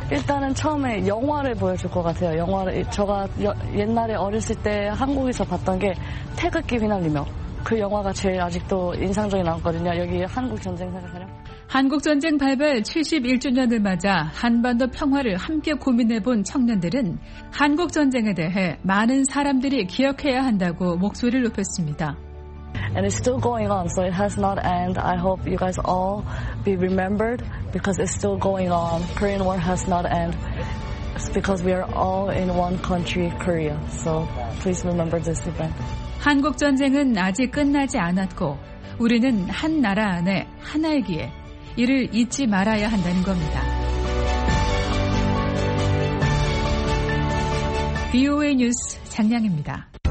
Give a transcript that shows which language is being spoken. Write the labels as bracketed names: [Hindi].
[Korean] 일단은 처음에 영화를 보여줄 것 같아요. 영화를 제가 옛날에 어렸을 때 한국에서 봤던 게 태극기 휘날리며 그 영화가 제일 아직도 인상적이 남거든요. 여기 한국 전쟁 생각하려면. 한국전쟁 발발 71주년을 맞아 한반도 평화를 함께 고민해본 청년들은 한국전쟁에 대해 많은 사람들이 기억해야 한다고 목소리를 높였습니다. [English] And it's still going on, so it has not ended. I hope you guys all be remembered because it's still going on. Korean War has not ended. It's because we are all in one country, Korea. So please remember this event. [Korean] 한국전쟁은 아직 끝나지 않았고 우리는 한 나라 안에 하나이기에 이를 잊지 말아야 한다는 겁니다. VOA 뉴스 장량입니다.